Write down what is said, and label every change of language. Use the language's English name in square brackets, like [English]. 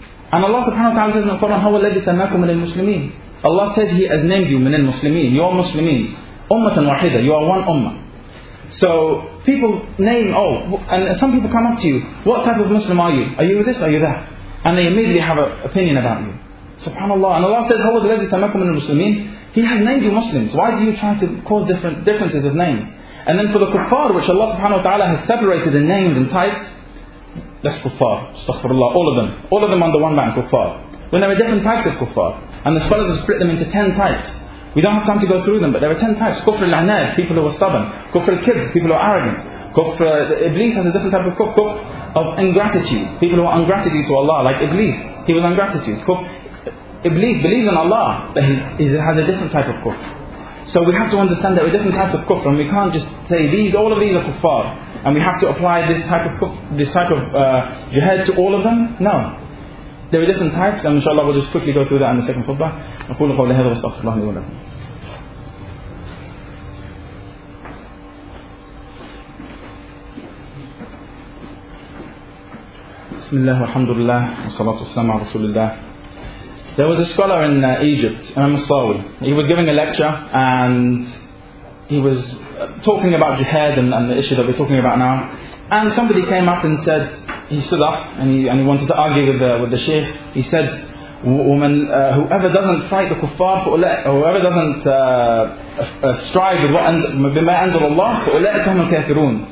[English] And Allah subhanahu wa ta'ala says in the Quran, [Arabic] هُوَ الَّذِي سَمَّاكُمْ مِنَ الْمُسْلِمِينَ. [English] Allah says He has named you [Arabic] مِنَ الْمُسْلِمِينَ. [English] You are Muslims. [Arabic] أُمَّةً وَحِدَةً. [English] You are one ummah. So people name, and some people come up to you, what type of Muslim are you? Are you this? Are you that? And they immediately have an opinion about you. SubhanAllah. And Allah says, [Arabic] هُوَ الَّذِي سَمَّاكُمْ مِنَ الْمُسْلِمِينَ. [English] He has named you Muslims. Why do you try to cause different differences of names? And then for the kuffar, which Allah subhanahu wa ta'ala has separated in names and types, that's kuffar, astaghfirullah, all of them under one man, kuffar. When there are different types of kuffar, and the scholars have split them into 10 types. We don't have time to go through them, but there are 10 types. Kufr al-anad, people who are stubborn. Kufr al-kibr, people who are arrogant. Kufr iblis has a different type of kufr. Kufr of ingratitude, people who are ungratitude to Allah, like iblis, he was ungratitude. Kufr iblis believes in Allah, but he has a different type of kufr. So we have to understand that we're different types of kufr, and we can't just say all of these are kuffar, and we have to apply this type of kufr, this type of jihad to all of them. No, there are different types, and inshallah we'll just quickly go through that in the second khutbah. [Arabic] أقول قول هذا واستغفر الله لي ولكم. بسم الله الحمد لله والصلاة والسلام على رسول الله. [English] There was a scholar in Egypt, Imam al-Sawi. He was giving a lecture and he was talking about jihad and the issue that we're talking about now. And somebody came up and said, he stood up and he wanted to argue with the sheikh. He said, whoever doesn't fight the kuffar, whoever doesn't strive with [Arabic] bima anzal Allah, fa'ula'ikahum al-kafirun.